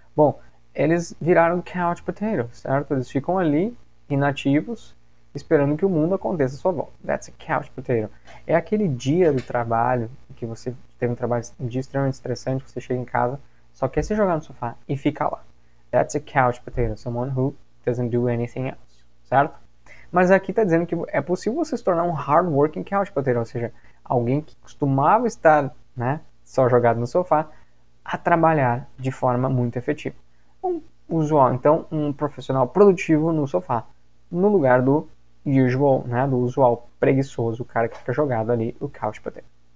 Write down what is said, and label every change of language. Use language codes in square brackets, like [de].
[pt] Bom, eles viraram couch potato, certo? Eles ficam ali, inativos, esperando que o mundo aconteça à sua volta. [en] That's a couch potato. [pt] É aquele dia do trabalho em que você teve um trabalho, um dia extremamente estressante, você chega em casa, só quer se jogar no sofá e fica lá. [en] That's a couch potato, someone who doesn't do anything else, certo? [pt] Mas aqui está dizendo que é possível você se tornar um hardworking couch potato, ou seja, alguém que costumava estar, né, só jogado no sofá, a trabalhar de forma muito efetiva. Um usual, então, um profissional produtivo no sofá, no lugar do usual, né, do usual preguiçoso, o cara que fica jogado ali, o couch potato.